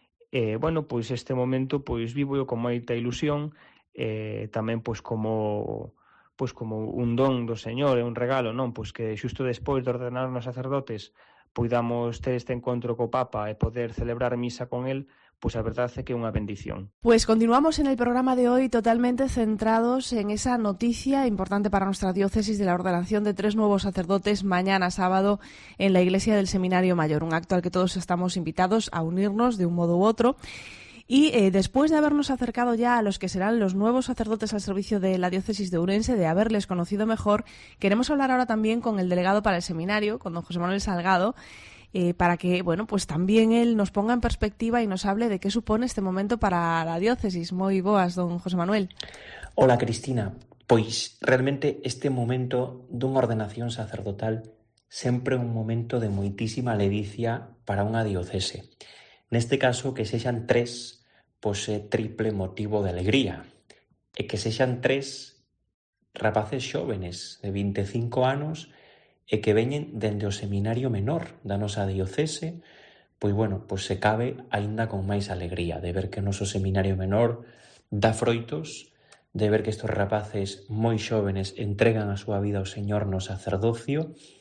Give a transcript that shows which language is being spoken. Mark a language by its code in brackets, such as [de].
[gl] Bueno, pois este momento pois vivo eu con moita ilusión, tamén pois como un don do Señor, é un regalo, non? Pois que xusto despois de ordenarnos sacerdotes poidamos ter este encontro co Papa e poder celebrar misa con él, pois a verdade é que é unha bendición. [es] Pois continuamos en el programa de hoy totalmente centrados en esa noticia importante para nuestra diócesis de la ordenación de 3 nuevos sacerdotes mañana sábado en la Iglesia del Seminario Mayor, un acto al que todos estamos invitados a unirnos de un modo u otro. Y después de habernos acercado ya a los que serán los nuevos sacerdotes al servicio de la diócesis de Ourense, de haberles conocido mejor, queremos hablar ahora también con el delegado para el seminario, con don José Manuel Salgado, para que, bueno, pues también él nos ponga en perspectiva y nos hable de qué supone este momento para la diócesis. [gl] Muy boas, don José Manuel. Hola, Cristina. Pois realmente este momento dunha ordenación sacerdotal sempre é un momento de moitísima ledicia para unha diocese. Neste caso, que sexan tres, pois é triple motivo de alegría. E que sexan tres rapaces xóvenes de 25 anos e que veñen dende o seminario menor da nosa diocese, pois bueno, pois se cabe aínda con máis alegría de ver que o noso seminario menor dá froitos, de ver que estos rapaces moi xóvenes entregan a súa vida ao Señor no sacerdocio,